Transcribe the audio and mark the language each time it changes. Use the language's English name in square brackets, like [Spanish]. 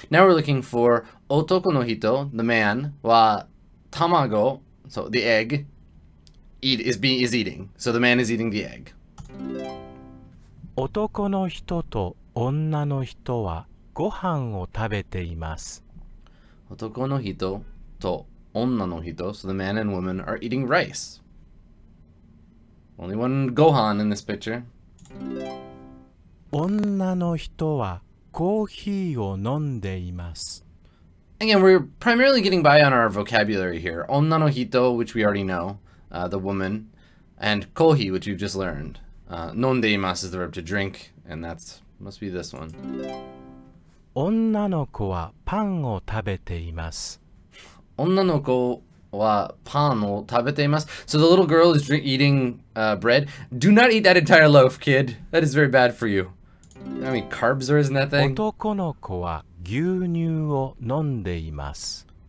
[English] Now we're looking for 男の人, the man, は卵, so the egg, is eating. So the man is eating the egg. [Japanese] 男の人と女の人はご飯を食べています。男の人と女の人, [English] so the man and woman are eating rice. Only one Gohan in this picture. [Japanese] 女の人はコーヒーを飲んでいます。 [English] Again, we're primarily getting by on our vocabulary here. 女の人, which we already know, the woman, and コーヒー, which you've just learned. 飲んでいます is the verb to drink, and that must be this one. [Japanese] 女の子はパンを食べています。女の子はパンを食べています。 [English] So the little girl is eating bread. Do not eat that entire loaf, kid. That is very bad for you. How many carbs are in that thing? [Japanese] 男の子は牛乳を飲んでいます。